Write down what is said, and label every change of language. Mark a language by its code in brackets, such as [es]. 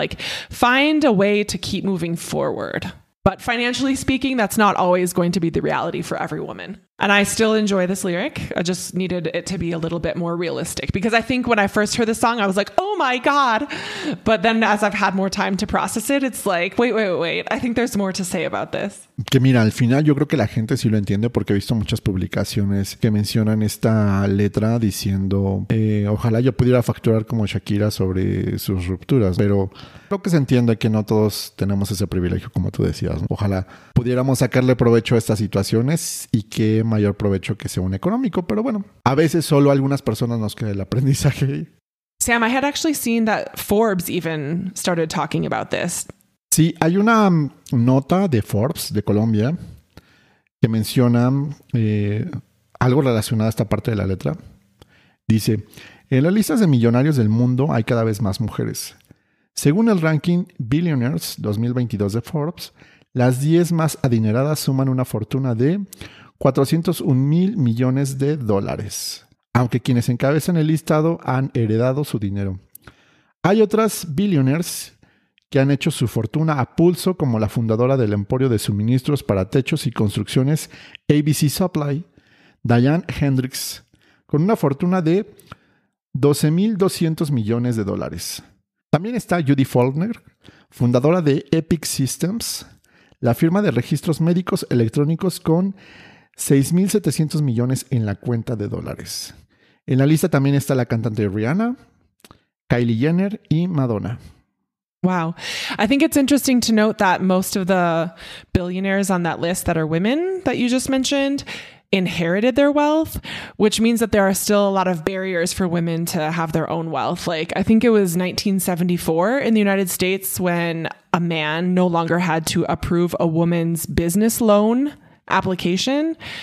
[en] Like, find a way to keep moving forward. But financially speaking, that's not always going to be the reality for every woman. And I still enjoy this lyric. I just needed it to be a little bit more realistic, because I think when I first heard the song, I was like, oh my God. But then as I've had more time to process it, it's like, wait. I think there's more to say about this. [es] Que mira, al final yo creo que la gente sí lo entiende, porque he visto muchas publicaciones que mencionan esta letra diciendo, ojalá yo pudiera facturar como Shakira sobre sus rupturas. Pero creo que se entiende que no todos tenemos ese privilegio, como tú decías. Ojalá pudiéramos sacarle provecho a estas situaciones y que mayor provecho que sea un económico, pero bueno, a veces solo algunas personas nos queda el aprendizaje. [en] Sam, I had actually seen that Forbes even started talking about this. [es] Sí, hay una nota de Forbes de Colombia que menciona algo relacionado a esta parte de la letra. Dice, en las listas de millonarios del mundo hay cada vez más mujeres. Según el ranking Billionaires 2022 de Forbes, Las 10 más adineradas suman una fortuna de 401 mil millones de dólares. Aunque quienes encabezan el listado han heredado su dinero. Hay otras billionaires que han hecho su fortuna a pulso, como la fundadora del emporio de suministros para techos y construcciones ABC Supply, Diane Hendricks, con una fortuna de 12.200 millones de dólares. También está Judy Faulkner, fundadora de Epic Systems, la firma de registros médicos electrónicos, con 6.700 millones en la cuenta de dólares. En la lista también está la cantante Rihanna, Kylie Jenner y Madonna. [en] Wow. I think it's interesting to note that most of the billionaires on that list that are women that you just mentioned inherited their wealth, which means that there are still a lot of barriers for women to have their own wealth. Like, I think it was 1974 in the United States when a man no longer had to approve a woman's business loan application.